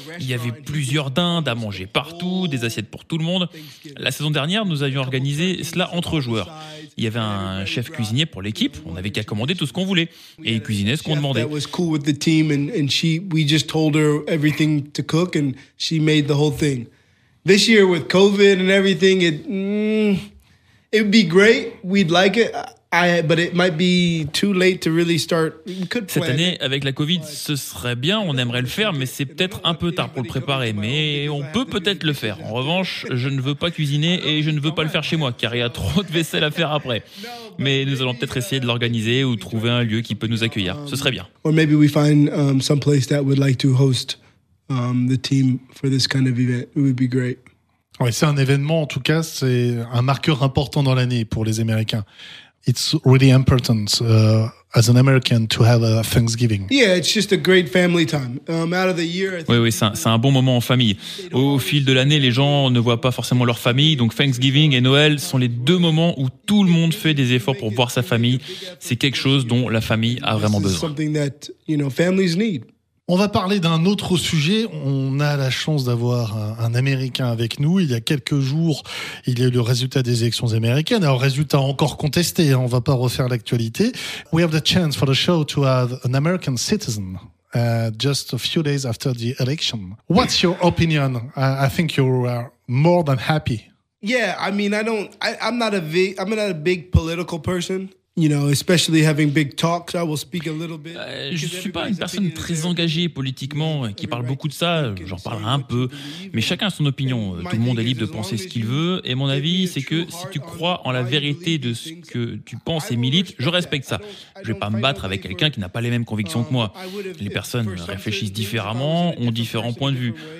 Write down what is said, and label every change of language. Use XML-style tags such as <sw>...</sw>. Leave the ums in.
<fr>Il y avait plusieurs dindes à manger partout, des assiettes pour tout le monde. La saison dernière, nous avions organisé cela entre joueurs. Il y avait un chef cuisinier pour l'équipe, on n'avait qu'à commander tout ce qu'on voulait. Et il cuisinait ce qu'on</fr> <en>chef</en> <fr>demandait.</fr> <en>That was cool with the team, and, and she we just told her everything to cook, and she made the whole thing. This year with COVID and everything, it mm, it would be great. We'd like it. I but it might be too late to really start. We could</en> <fr>Cette</fr> <en>plan it.</en> <fr>année, avec la Covid, ce serait bien, on aimerait le faire, mais c'est peut-être un peu tard pour le préparer. Mais on peut peut-être le faire. En revanche, je ne veux pas cuisiner et je ne veux pas le faire chez moi, car il y a trop de vaisselle à faire après. Mais nous allons peut-être essayer de l'organiser ou trouver un lieu qui peut nous accueillir. Ce serait bien.</fr> <en>or maybe we find um, some place that would like to host um, the team for this kind of event. It would be great.</en> <fr>Ouais, c'est un événement, en tout cas, c'est un marqueur important dans l'année pour les Américains.</fr> <en>It's really important uh, as an American to have a Thanksgiving. Yeah, it's just a great family time. Um, out of the year, I think</en> <fr>Oui, oui, c'est un, c'est un bon moment en famille. Au fil de l'année, les gens ne voient pas forcément leur famille, donc Thanksgiving et Noël sont les deux moments où tout le monde fait des efforts pour voir sa famille. C'est quelque chose dont la famille a vraiment</fr> <en>this is</en> <fr>besoin.</fr> <en>something that you know families need.</en> <fr>On va parler d'un autre sujet. On a la chance d'avoir un, un Américain avec nous. Il y a quelques jours, il y a eu le résultat des élections américaines. Alors, résultat encore contesté. hein, On va pas refaire l'actualité.</fr> <en>We have the chance for the show to have an American citizen. uh, just a few days after the election. What's your opinion? I, I think you are more than happy Yeah, I mean, I don't. I, I'm not a big. I'm not a big political person. you know, especially having big talks, I will speak a little bit.</en> <fr>Euh, je suis pas une personne très engagée politiquement euh, qui parle beaucoup de ça, euh, j'en parlerai un peu, mais chacun a son opinion, euh, tout le monde est libre de penser ce qu'il veut, et mon avis c'est que si tu crois en la vérité de ce que tu penses et milites, je respecte ça. Je vais pas me battre avec quelqu'un qui n'a pas les mêmes convictions que moi. Les personnes réfléchissent différemment, ont différents points de vue.</fr>